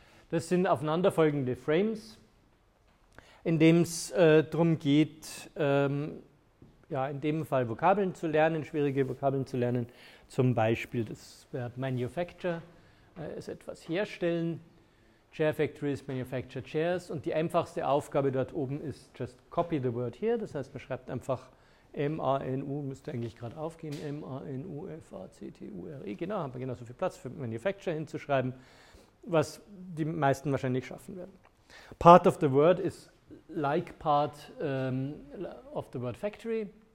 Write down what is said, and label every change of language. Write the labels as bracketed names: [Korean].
[German] Das sind aufeinanderfolgende Frames, in dem es darum geht, in dem Fall Vokabeln zu lernen, schwierige Vokabeln zu lernen. Zum Beispiel das Verb manufacture, ist etwas herstellen. [English] Chair factories manufacture chairs. [German] Und die einfachste Aufgabe dort oben ist [English] just copy the word here. [German] Das heißt, man schreibt einfach M-A-N-U, müsste eigentlich gerade aufgehen, M-A-N-U-F-A-C-T-U-R-E. Genau, haben wir genauso viel Platz für manufacture hinzuschreiben, was die meisten wahrscheinlich schaffen werden. [English] Part of the word ist like part of the word factory.